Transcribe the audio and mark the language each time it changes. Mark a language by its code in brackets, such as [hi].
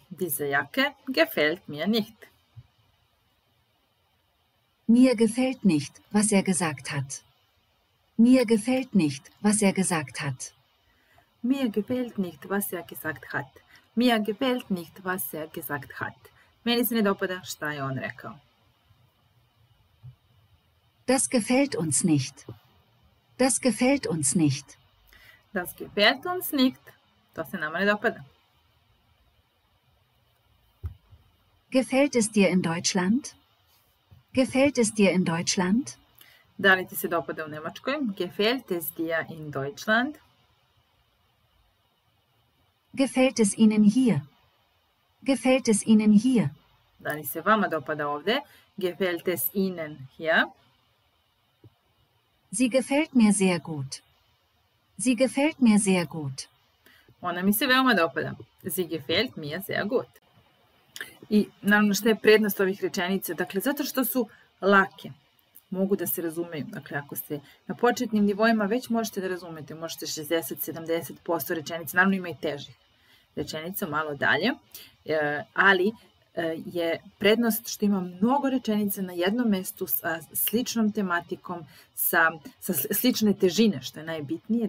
[de] Diese Jacke gefällt mir nicht. Mir gefällt nicht, was er gesagt hat. Mir gefällt nicht, was er gesagt hat. Mir gefällt nicht, was er gesagt hat. Mir gefällt nicht, was er gesagt hat. [sr] Meni se ne dopada šta je on rekao. [de] Das gefällt uns nicht. Das gefällt uns nicht. Das gefällt uns nicht. [sr] To se nama ne dopada. [de] Gefällt es dir in Deutschland? Gefällt es dir in Deutschland? [sr] Da li ti se dopada u Nemačkoj? [de] Gefällt es dir in Deutschland? Gefällt es Ihnen hier? Gefällt es Ihnen hier? [sr] Da li se vama dopada ovde? [de] Gefällt es Ihnen hier? Sie gefällt mir sehr gut. Sie gefällt mir sehr gut. [sr] Ona mi se veoma dopada. [de] Sie gefällt mir sehr gut. [sr] I naravno šta je prednost ovih rečenica? Dakle, zato što su lake. Mogu da se razumeju. Dakle, ako ste na početnim nivoima, već možete da razumete. Možete 60-70% rečenica. Naravno, ima i težih rečenica, malo dalje. Ali je prednost što ima mnogo rečenica na jednom mestu sa sličnom tematikom, sa slične težine, što je najbitnije.